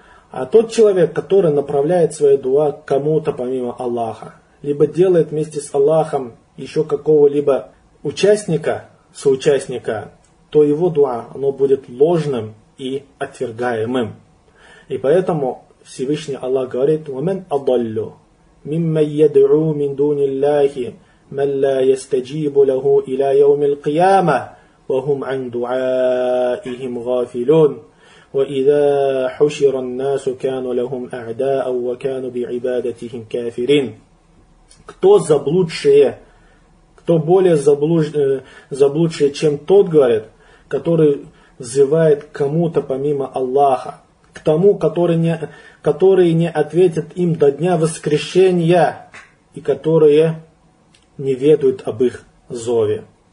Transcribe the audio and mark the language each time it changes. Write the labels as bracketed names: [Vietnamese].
[Russian] А тот человек, который направляет свою дуа кому-то помимо Аллаха, либо делает вместе с Аллахом еще какого-либо участника, соучастника, то его дуа, оно будет ложным и отвергаемым. И поэтому Всевышний Аллах говорит: [Arabic] «Вамен адаллю, мимма яду мин дуни Аллахи, ман ла ястаджибу лаху иля йоми аль-кияма». وهم عن دعائهم غافلون وإذا حشر الناس كانوا لهم أعداء وكانوا بعبادتهم كافرين. [Russian] Кто заблудшее, кто более заблудшее, чем тот, говорит, который взывает кому-то помимо Аллаха, к тому, который не ответит им до дня воскрешения и которые не ведают об их зове.